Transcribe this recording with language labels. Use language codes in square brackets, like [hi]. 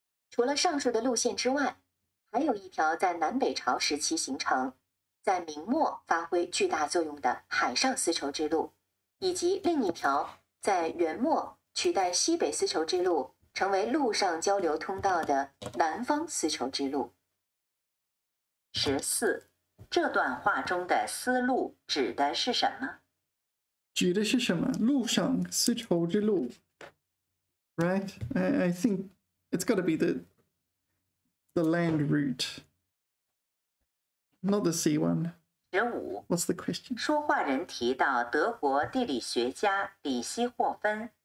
[zh] 除了上述的路线之外，还有一条在南北朝时期形成，在明末发挥巨大作用的海上丝绸之路，以及另一条在元末取代西北丝绸之路成为陆上交流通道的南方丝绸之路。十四，这段话中的丝路指的是什么？指的是什么？陆上丝绸之路 ，right? [en] I think it's got to be the land route, not the sea one. [zh] 十五 [en] ，What's the question? [zh] 说话人提到德国地理学家李希霍芬。